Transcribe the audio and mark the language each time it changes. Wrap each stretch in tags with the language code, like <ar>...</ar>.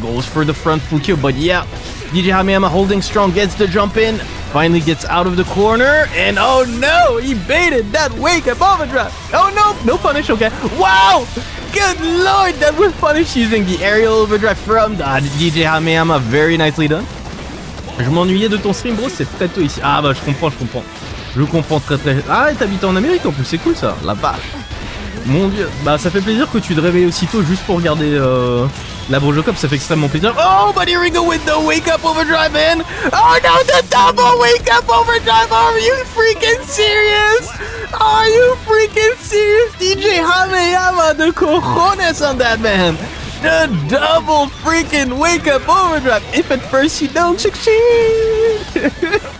<en>Goes for the front full kill, but yeah, DJHameyama holding strong, gets the jump in, finally gets out of the corner, and oh no, he baited that wake-up overdrive. Oh no, no punish, okay. Wow, good lord, that was punished using the aerial overdrive from DJHameyama. Very nicely done.</en> <fr>Je m'ennuyais de ton stream, bro, c'est très tôt ici. Ah bah, je comprends très très... Ah, t'habites en Amérique en plus, c'est cool ça, la vache. Mon dieu, bah ça fait plaisir que tu te réveilles aussitôt juste pour regarder la Brojo Cup, ça fait extrêmement plaisir.</fr> <en>Oh, but here we go with the wake up overdrive, man. Oh no, the double wake up overdrive, are you freaking serious? Are you freaking serious? DJHameyama, the cojones on that, man. The double freaking wake up overdrive. If at first you don't succeed.</en>